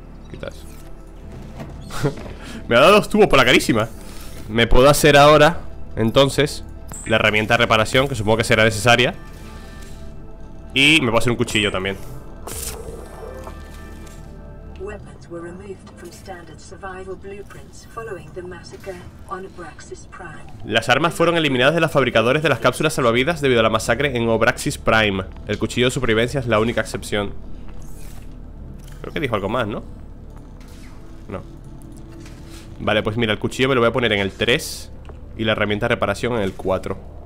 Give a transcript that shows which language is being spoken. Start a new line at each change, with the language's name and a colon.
Spanish: Quitas. Me ha dado dos tubos por la carísima. Me puedo hacer ahora, entonces, la herramienta de reparación, que supongo que será necesaria. Y me puedo hacer un cuchillo también.
English: Weapons were removed from standard survival blueprints following the massacre on Abraxas Prime.
Spanish: Las armas fueron eliminadas de los fabricadores de las cápsulas salvavidas debido a la masacre en Abraxas Prime. El cuchillo de supervivencia es la única excepción. Creo que dijo algo más, ¿no? No. Vale, pues mira, el cuchillo me lo voy a poner en el 3 y la herramienta de reparación en el 4.